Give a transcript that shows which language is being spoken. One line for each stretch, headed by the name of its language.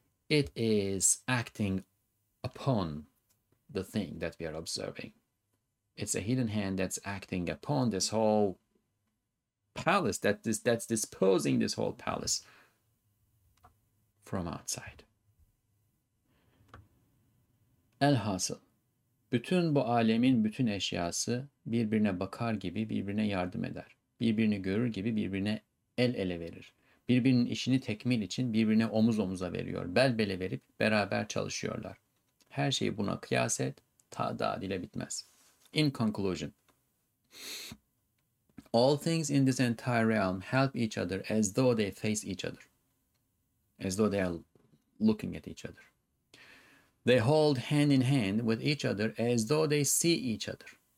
English: It is acting upon the thing that we are observing. It's a hidden hand that's acting upon this whole palace, that's disposing this whole palace from outside.
Turkish: Elhasıl, bütün bu alemin bütün eşyası birbirine bakar gibi birbirine yardım eder. Birbirini görür gibi birbirine el ele verir. Birbirinin işini tekmil için birbirine omuz omuza veriyor. Bel bele verip beraber çalışıyorlar. Her şeyi buna kıyas et, ta daha dile bitmez.
English: In conclusion, all things in this entire realm help each other as though they face each other, as though they are looking at each other. They hold hand in hand with each other as though they see each other.